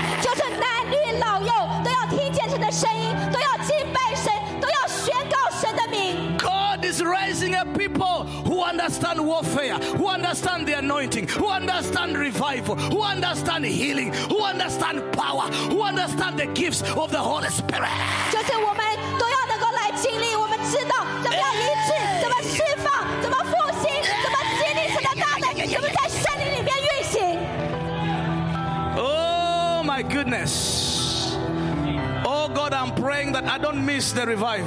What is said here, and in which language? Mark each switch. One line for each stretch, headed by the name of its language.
Chinese: 就是男女老幼都要听见神的声音，都要敬拜神，都要宣告神的名。
English: God is raising a people who understand warfare, who understand the anointing, who understand revival, who understand healing, who understand power, who understand the gifts of the Holy Spirit.
Chinese: 就是我们都要能够来经历，我们知道怎么样医治，怎么释放，怎么复兴，怎么经历神的大能，怎么在圣灵里面运行。
English: Oh my goodness. Oh God, I'm praying that I don't miss the revival.